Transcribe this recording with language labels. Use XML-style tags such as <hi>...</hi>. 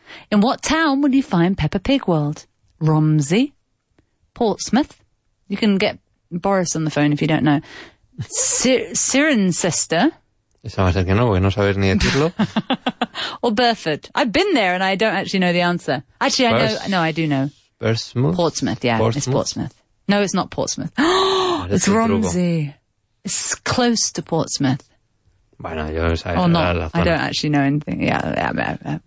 <en>In what town would you find Peppa Pig World? Romsey? Portsmouth? You can get Boris on the phone if you don't know. Cirencester?</en> <es>Eso va a ser que no, porque no sabes ni decirlo.</es> <en>Or Burford? I've been there and I don't actually know the answer. Actually, I know. No, I do know. Portsmouth? Portsmouth, yeah. Portsmouth? It's Portsmouth. No, it's not Portsmouth. Oh, it's Romsey. It's close to Portsmouth.</en> <es>Bueno, yo</es> <en>sabes, oh, no, la zona. I don't actually know anything. Yeah, yeah, yeah, yeah.</en>